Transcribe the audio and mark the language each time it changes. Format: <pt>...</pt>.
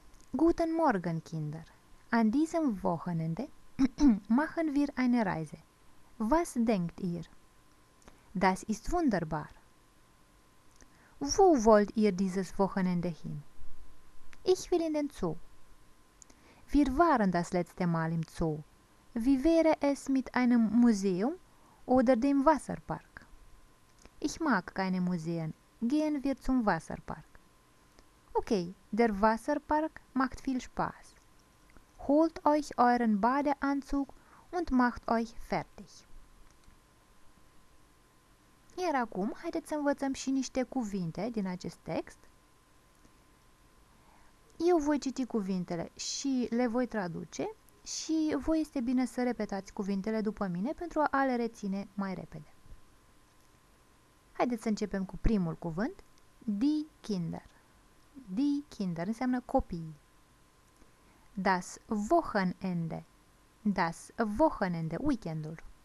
<de>Guten Morgen, Kinder. An diesem Wochenende machen wir eine Reise. Was denkt ihr? Das ist wunderbar. Wo wollt ihr dieses Wochenende hin? Ich will in den Zoo. Wir waren das letzte Mal im Zoo. Wie wäre es mit einem Museum oder dem Wasserpark? Ich mag keine Museen. Gehen wir zum Wasserpark. Okay, der Wasserpark macht viel Spaß. Holt euch euren Badeanzug und macht euch fertig.</de> <ro>Iar acum, haideți să învățăm și niște cuvinte din acest text. Eu voi citi cuvintele și le voi traduce și voi este bine să repetați cuvintele după mine pentru a le reține mai repede. Haideți să începem cu primul cuvânt.</ro> <de>Die Kinder. Die Kinder</de> <ro>înseamnă copii.</ro> <de>Das Wochenende. Das Wochenende,</de> <ro>weekendul.</ro>